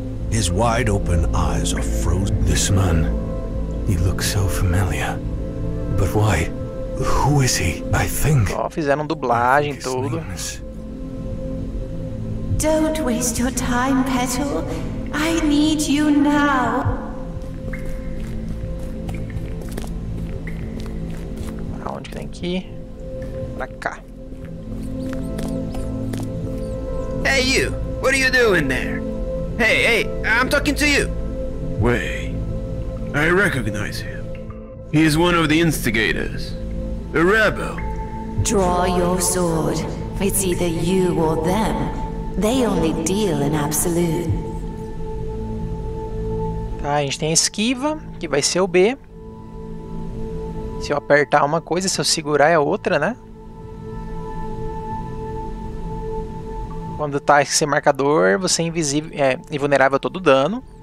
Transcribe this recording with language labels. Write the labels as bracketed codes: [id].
[en] His wide open eyes are frozen. This man, he looks so familiar. But why? Who is he? I think. [pt] Ó, fizeram dublagem tudo. [en] Don't waste your time, Petal. I need you now. [pt] Onde que tem que ir? Pra cá. [en] Hey you, what are you doing there? Hey, I'm talking to you. Wei, I recognize him. He is one of the instigators. A rebel. Draw your sword. It's either you or them. They only deal in absolute. [pt] Tá, a gente tem a esquiva, que vai ser o B. Se eu apertar uma coisa, se eu segurar é outra, né? Quando tá sem marcador, você é invisível, é invulnerável a todo dano.